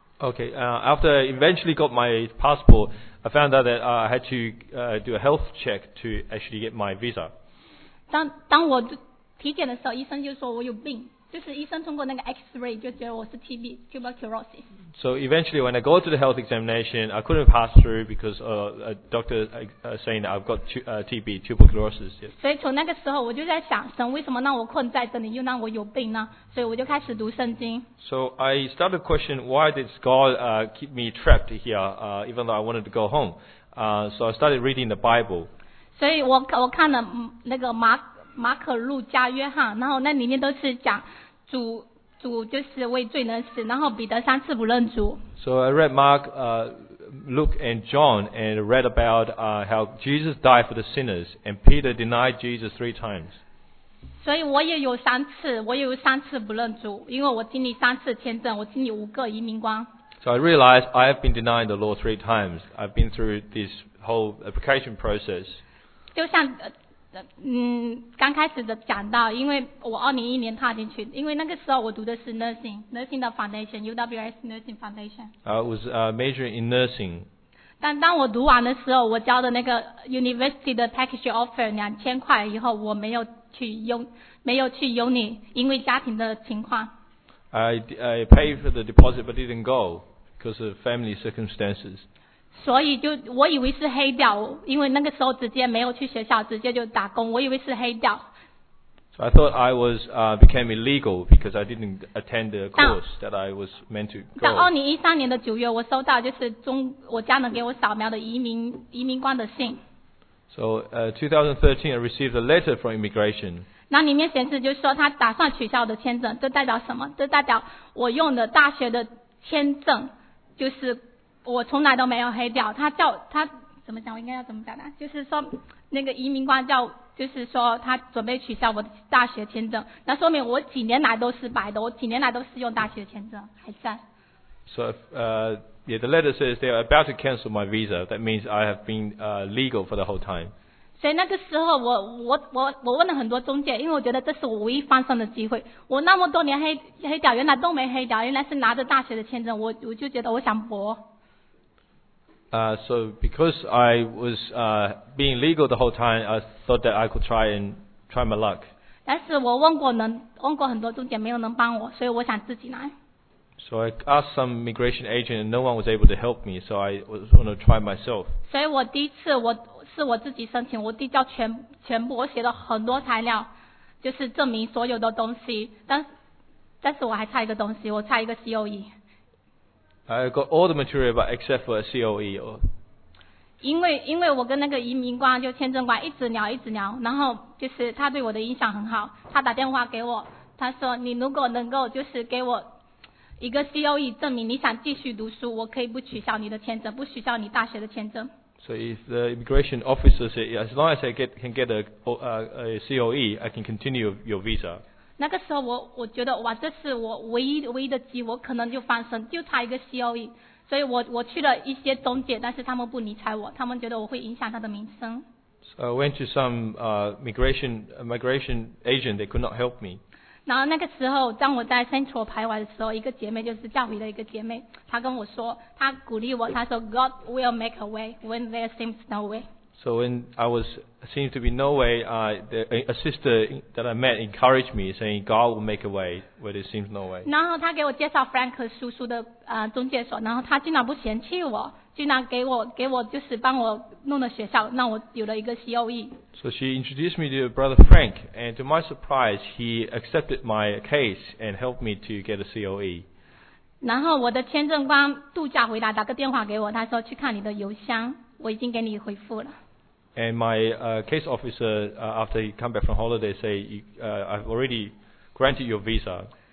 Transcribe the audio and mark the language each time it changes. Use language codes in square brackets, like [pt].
[en] Okay, after I eventually got my passport, I found out that I had to do a health check to actually get my visa. [zh] 当我体检的时候，医生就说我有病，就是医生通过那个 X-ray 就觉得我是 TB, tuberculosis. [en] So eventually when I go to the health examination, I couldn't pass through because a doctor saying I've got TB, tuberculosis. Yes. [zh] 所以从那个时候我就在想，神为什么让我困在这里又让我有病呢？所以我就开始读圣经。 [en] So I started to question why did God keep me trapped here even though I wanted to go home. So I started reading the Bible. [zh] 所以我看了那个马可路加约翰，然后那里面都是讲主就是为罪人死，然后彼得三次不认主。 [en] So I read Mark, Luke and John and read about how Jesus died for the sinners and Peter denied Jesus three times. [zh] 所以我也有三次不认主，因为我经历三次签证，我经历五个移民官。 [en] So I realized I have been denying the Lord three times. I've been through this whole application process. [zh] 就像刚开始的讲到，因为我2011年踏进去，因为那个时候我读的是 nursing 的 foundation，UWS nursing foundation。 [en] I was majoring in nursing。 [zh] 但当我读完的时候，我交的那个 university 的 package offer 2000块以后，我没有去 uni， 因为家庭的情况。 [en] I paid for the deposit but didn't go because of family circumstances。 [zh] 所以就我以为是黑掉，因为那个时候直接没有去学校，直接就打工，我以为是黑掉。 [en] So I thought I was became illegal because I didn't attend the course that I was meant to go. [zh] 在2013年的九月，我收到就是我家人给我扫描的移民官的信。 [en] So 2013, I received a letter from immigration. [zh] 那里面显示就是说他打算取消我的签证，这代表什么？这代表我用的大学的签证就是。我从来都没有黑掉，他怎么讲？我应该要怎么讲呢？就是说，那个移民官叫，就是说他准备取消我的大学签证，那说明我几年来都是白的，我几年来都是用大学签证还在。 [en] So, the letter says they are about to cancel my visa. That means I have been legal for the whole time. [zh] 所以那个时候我问了很多中介，因为我觉得这是我唯一翻身的机会。我那么多年黑掉，原来都没黑掉，原来是拿着大学的签证，我就觉得我想搏。 [en] So because I was being legal the whole time, I thought that I could try my luck. [zh] 但是我问过很多中介，没有能帮我，所以我想自己来。 [en] So I asked some immigration agent, and no one was able to help me. So I was going to try myself. [zh] 所以我第一次是我自己申请，我递交全部，我写了很多材料，就是证明所有的东西。但是我还差一个东西，我差一个 COE。 [en] I got all the material, but except for a COE. [zh] 因为我跟那个移民官就签证官一直聊，然后就是他对我的印象很好。他打电话给我，他说你如果能够就是给我一个 COE 证明你想继续读书，我可以不取消你的签证，不取消你大学的签证。 [en] So if the immigration officer said, as long as I can get a COE, I can continue your visa. [zh] 那个时候我觉得哇，这是我唯一的机会，我可能就翻身，就差一个 COE， 所以我去了一些中介，但是他们不理睬我，他们觉得我会影响他的名声。 [en] So I went to some migration agent. They could not help me. [zh] 然后那个时候，当我在 Central 徘徊的时候，一个姐妹就是教会的一个姐妹，她跟我说，她鼓励我，她说 [en] God will make a way when there seems no way. So when I was seemed to be no way, a sister that I met encouraged me, saying God will make a way where there seems no way. [zh] 然后他给我介绍 Frank 叔叔的 中介所，然后他竟然不嫌弃我。竟然给我就是帮我弄了学校，让我有了一个COE。 [en] So she introduced me to Brother Frank, and to my surprise, he accepted my case and helped me to get a COE. [zh] 然后我的签证官度假回来，打个电话给我，他说去看你的邮箱，我已经给你回复了。 [en] And my case officer, after he come back from holiday, say I've already granted your visa.